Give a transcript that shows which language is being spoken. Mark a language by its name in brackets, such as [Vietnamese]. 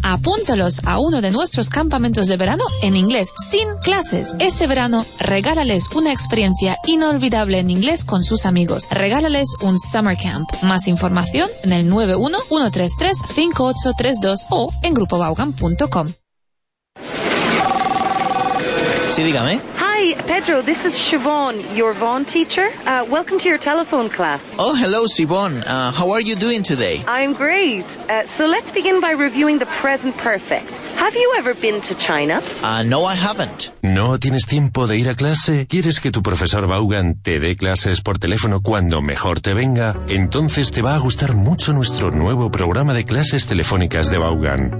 [Spanish] Apúntalos a uno de nuestros campamentos de verano en inglés, sin clases. Este verano, regálales una experiencia inolvidable en inglés con sus amigos. Regálales un summer camp. Más información en el 91-133-5832 o en grupobaugan.com. Sí, dígame. [English] Hi, Pedro, this is Siobhan, your Vaughan teacher. Welcome to your telephone class. Oh, hello, Siobhan. How are you doing today? I'm great. So let's begin by reviewing the present perfect. Have you ever been to China? No, I haven't. [Spanish] ¿No tienes tiempo de ir a clase? ¿Quieres que tu profesor Vaughan te dé clases por teléfono cuando mejor te venga? Entonces te va a gustar mucho nuestro nuevo programa de clases telefónicas de Vaughan.